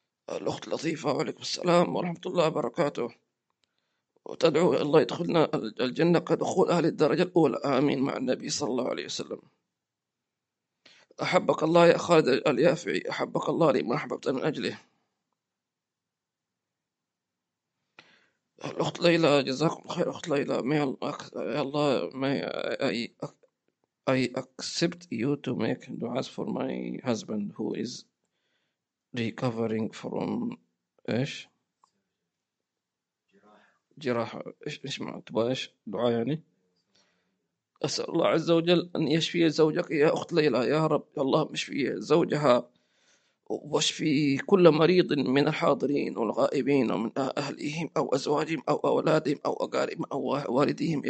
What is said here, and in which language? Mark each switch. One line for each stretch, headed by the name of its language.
Arabic: الأخت لطيفة وعليكم السلام ورحمة الله وبركاته. وتدعو إلى الله يدخلنا الجنة كدخول أهل الدرجة الأولى، آمين، مع النبي صلى الله عليه وسلم. أحبك الله يا خالد اليافعي، أحبك الله لما أحببت من أجله. الأخت ليلى، جزاكم خير أخت ليلى. يا الله
English: I accept you to make dua for my husband who is recovering from
Arabic: إيش؟ جراحة. إيش معنى تبغى إيش دعاء يعني؟ أسأل الله عز وجل أن يشفي زوجك يا أخت ليلى، يا رب اللهم اشفي زوجها واشفي كل مريض من الحاضرين والغائبين ومن أهلهم أو أزواجهم أو أولادهم أو أقاربهم أو والديهم.